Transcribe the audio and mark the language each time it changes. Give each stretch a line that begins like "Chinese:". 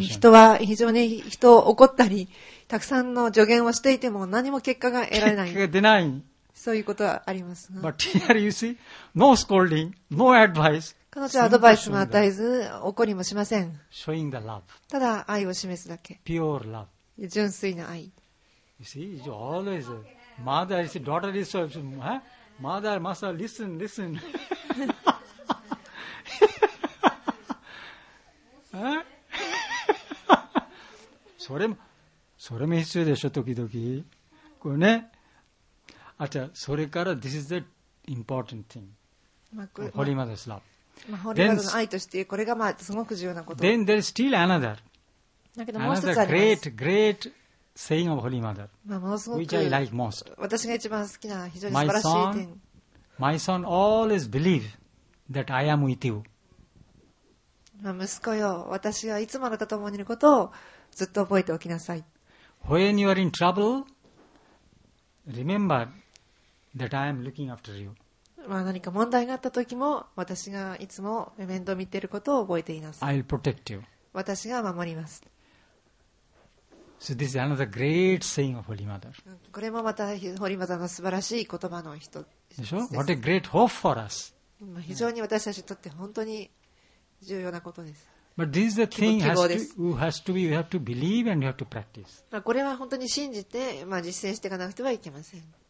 Japanese: 人は非常に人を怒ったり、たくさんの助言をしていても何も結果が得られない。結果が出ない。そういうことはありますが。
English: But here you see, no scolding, no advice.
Japanese: 彼女はアドバイスも与えず、怒りもしません。
English: Showing the love.
Japanese: ただ愛を示すだけ。
English: Pure love.
Japanese: 純粋な愛。
English: You see, it's always a... Mother, his daughter is so, huh? Mother, Master, listen, listen.
Japanese: それも必要でしょ、時々。これね。あ、じゃあ、それから、
English: this is the important thing. Holy Mother's love.
Japanese: Holy Mother の愛として、これがまあすごく重要なこと。
English: Then there is still another.
Japanese: だけどもう一つあります。
English: Another great, great,Saying of Holy Mother, which I like most.
Japanese: 私が一番好きな非常に素晴らしい点。
English: My son always believe that I am with you.
Japanese: 息子よ、私はいつもあなたと共にいることをずっと覚えておきなさい。
English: When you are in trouble, remember that I am looking after you.
Japanese: 何か問題があった時も、私がいつも面倒見ていることを覚えていなさい。
English: I'll protect you.
Japanese: 私が守ります。
English: So this is another great saying of Holy Mother.
Japanese: これもまたホーリーマザーの素晴らしい言葉の一つでしょ。
English: What a great hope for us.
Japanese: 非常に私たちにとって本当に重要なことです。
English: But this is the thing you have to believe and you have to practice.
Japanese: まあこれは本当に信じて、まあ実践していかなくてはいけません。